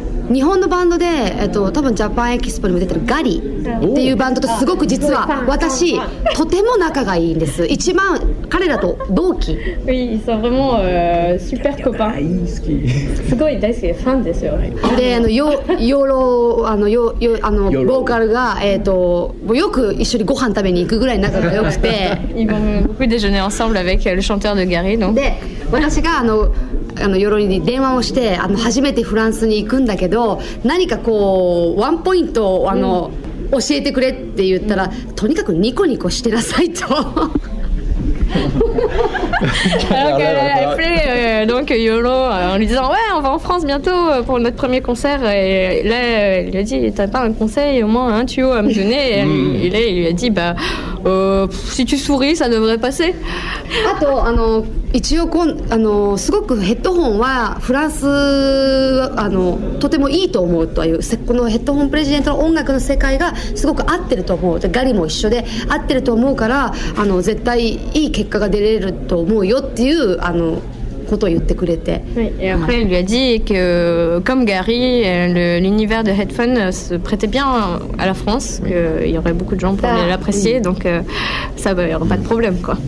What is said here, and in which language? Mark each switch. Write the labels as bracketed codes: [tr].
[ja] 日本のバンドで、多分ジャパンエキスポにも出てるガリっていうバンドとすごく実は私とても仲がいいんです。一番彼らと同期。 [fr] Oui, ils sont vraiment super copains. Ah, ils sont [ja] すごい大好きファンですよ。で、ボーカルがよく一緒にご飯食べに行くぐらい仲が良くて。 [fr] Ils vont beaucoup déjeuner ensemble avec le chanteur de Gary, non? [ja] で、私がヨロに電話をして初めてフランスに行くんだけど何かこうワンポイントを教えてくれって言ったらとにかくニコニコしてなさいと。 [fr] Donc elle a appelé Yolo en lui disant ouais on va en France bientôt pour notre premier concert et là il lui a dit t'as pas un conseil au moins un tuyau à me donner et là il lui a dit si tu souris ça devrait passer. [ja] あとあの一応こんあのすごくヘッドホンはフランスあのとてもいいと思うというこのヘッドホンプレジデントの音楽の世界がすごく合ってると思うガリも一緒で合ってると思うから絶対いい結果が出れると思うよっていうことを言ってくれて。 [fr] Et après, elle lui a dit que comme Gary, l'univers de headphone se prêtait bien à la France, qu'il y aurait beaucoup de gens pour l'apprécier, donc ça, il y aura pas de problème, quoi.